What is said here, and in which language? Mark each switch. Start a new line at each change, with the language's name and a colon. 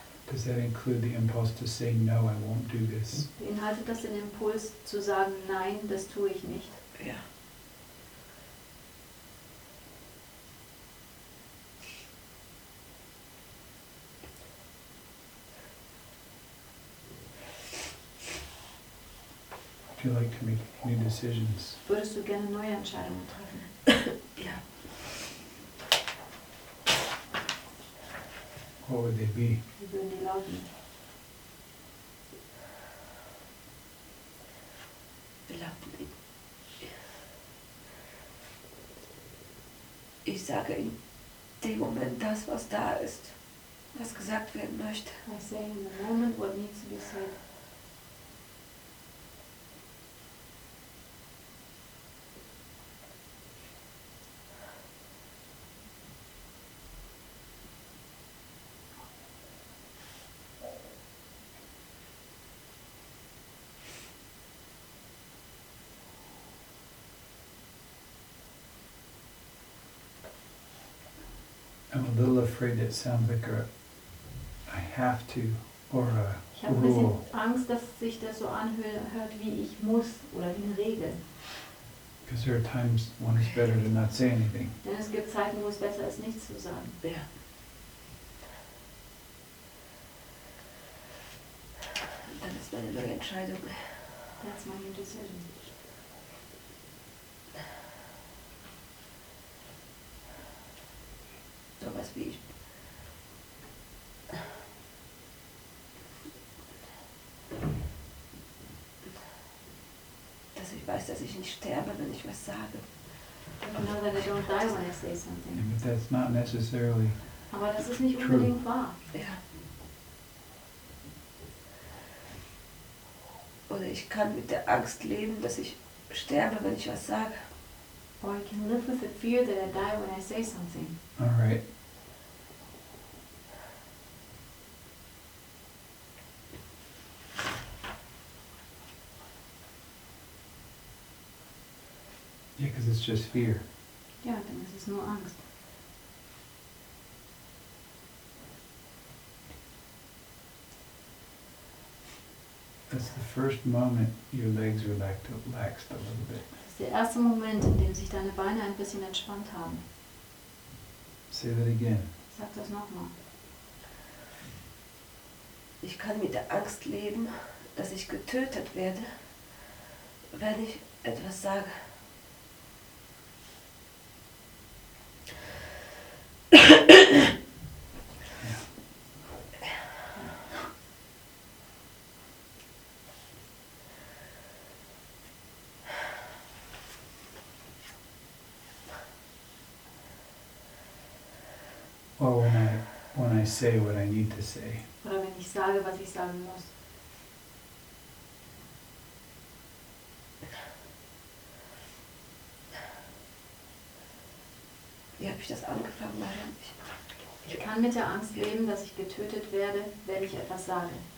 English: Does that include the impulse to say no, I won't do this?
German: Beinhaltet das den Impuls zu sagen, nein, das tue ich nicht? Ja.
English: If you like to make new decisions.
German: Würdest du gerne neue Entscheidungen treffen? Ja.
English: What would they be?
German: Wie würden die lauten? Ich sage in dem Moment das, was da ist, was gesagt werden möchte.
English: I say in the moment what needs to be said. I'm a little afraid that sounds like I have to or a rule.
German: Ich habe ein bisschen Angst, dass sich das so anhört wie ich muss oder wie eine Regel.
English: Because there are times when it's better to not say anything.
German: Denn es gibt Zeiten, wo es besser ist, nichts zu sagen.
English: Yeah.
German: Dann ist meine neue Entscheidung.
English: That's my new decision.
German: Sowas wie ich. Dass ich weiß, dass ich nicht sterbe, wenn ich was sage.
English: Yeah, but that's not necessarily.
German: Aber das ist nicht unbedingt Wahr. Ja. Oder ich kann mit der Angst leben, dass ich sterbe, wenn ich was sage.
English: Or I can live with the fear that I die when I say something. All right. Yeah, because it's just fear.
German: Ja, dann ist es nur Angst.
English: That's the first moment your legs relaxed a little bit.
German: Das ist der erste Moment, in dem sich deine Beine ein bisschen entspannt haben.
English: Say that again.
German: Sag das nochmal. Ich kann mit der Angst leben, dass ich getötet werde, wenn ich etwas sage.
English: Or when I say what I need to say.
German: Oder wenn ich sage, was ich sagen muss. Wie habe ich das angefangen, Maria? Ich kann mit der Angst leben, dass ich getötet werde, wenn ich etwas sage.